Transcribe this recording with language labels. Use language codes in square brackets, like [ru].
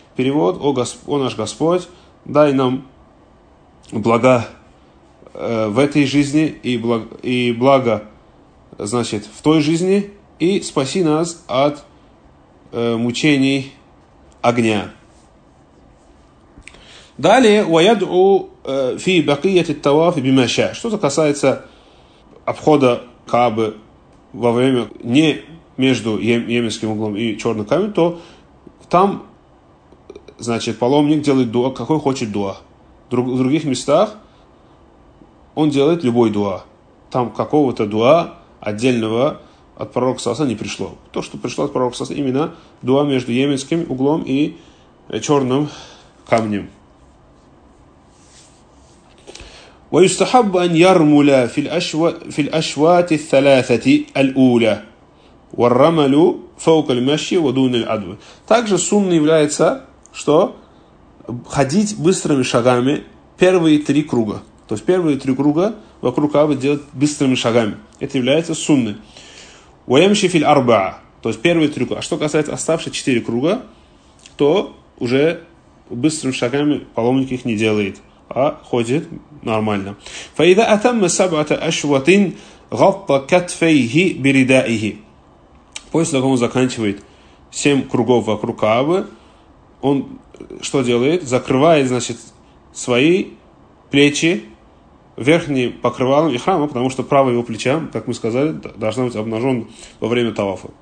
[ru] Перевод «О наш Господь, дай нам блага в этой жизни и блага, значит, в той жизни, и спаси нас от мучений огня». Далее, [ar] ويدعو في بقية التواف بما شاء. [ru] Что-то касается обхода Кабы во время, не между Йеменским углом и Черным камнем, то там, значит, паломник делает дуа, какой хочет дуа. В других местах он делает любой дуа. Там какого-то дуа отдельного от пророка Саса не пришло. То, что пришло от пророка Саса, именно дуа между Йеменским углом и Черным камнем. [ar] ويستحب أن يرمل في الأشواط الثلاثة الأولى والرمل فوق المشي ودون العدو. [ru] Также сунна является, что ходить быстрыми шагами первые три круга. То есть первые три круга вокруг Кабы делать быстрыми шагами. Это является сунной. [ar] ويمشي في الأربعة. [ru] То есть первые три круга. А что касается оставшихся четыре круга, то уже быстрыми шагами паломник их не делает. А ходит нормально. [ar] فإذا أتم سبعة أشواط غطى كتفيه بردائه. [ru] После того, как он заканчивает семь кругов вокруг Каабы, он что делает? Закрывает, значит, свои плечи верхним покрывалом и храма, потому что правое его плечо, как мы сказали, должно быть обнажено во время тавафа.